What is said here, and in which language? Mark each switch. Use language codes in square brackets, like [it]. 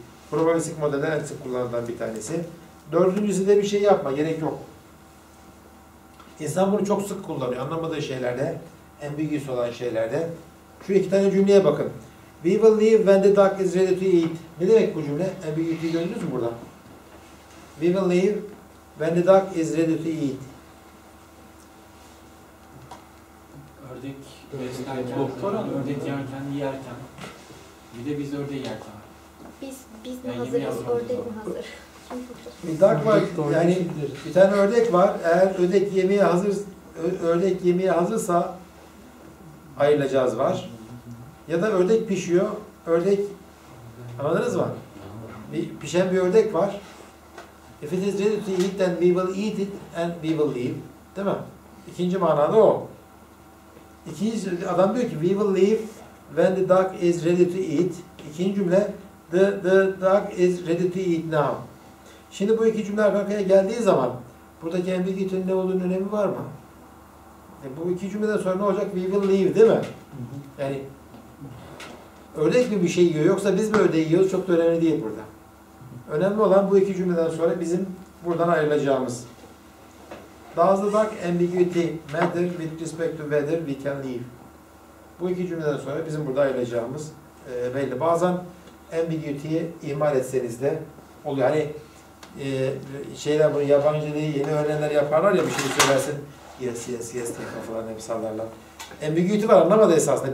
[tr] Probabilistik modelden en sık kullanılan bir tanesi. Dördüncüsü de bir şey yapma, gerek yok. İnsan bunu çok sık kullanıyor, anlamadığı şeylerde, ambiguous olan şeylerde. Şu iki tane cümleye bakın. [en] We will leave when the duck is ready to eat. [tr] Ne demek bu cümle? Ambiguity'yi gördünüz mü burada? [en] We will leave when the duck is ready to eat. [tr] Ördek beslerken, doktoran ördek yerken, yerken. Bir de biz ördeği yerken. Biz mi yani hazırız, ördek mi hazır? Bir duck var, yani bir tane ördek var. Eğer ördek yemeye hazır, ördek yemeye hazırsa ayrılacağız var. Ya da ördek pişiyor, ördek, anladınız mı? Bir pişen bir ördek var. [en] If it is ready to eat, then we will eat it and we will leave. [tr] Değil mi? İkinci manada o. İkinci adam diyor ki, [en] we will leave when the duck is ready to eat. [tr] İkinci cümle, [en] the duck is ready to eat now. [tr] Şimdi bu iki cümle arka arkaya geldiği zaman buradaki ambiguity'nin ne olduğunun önemi var mı? Bu iki cümleden sonra ne olacak? [en] We will leave, [tr] değil mi? Yani ördek mi bir şey yiyor yoksa biz mi ördeği yiyoruz? Çok da önemli değil burada. Önemli olan bu iki cümleden sonra bizim buradan ayrılacağımız. [en] Does the duck ambiguity matter with respect to whether we can leave? [tr] Bu iki cümleden sonra bizim burada ayrılacağımız belli. Bazen ambiguity'yi ihmal etseniz de oluyor. Hani şeyler bunu yabancı değil, yeni öğrenenler yaparlar ya, bir şey söylersin. [en] Yes, yes, yes [tr] diye falan hep sallarlar. Ambiguity var, anlamadı esasında.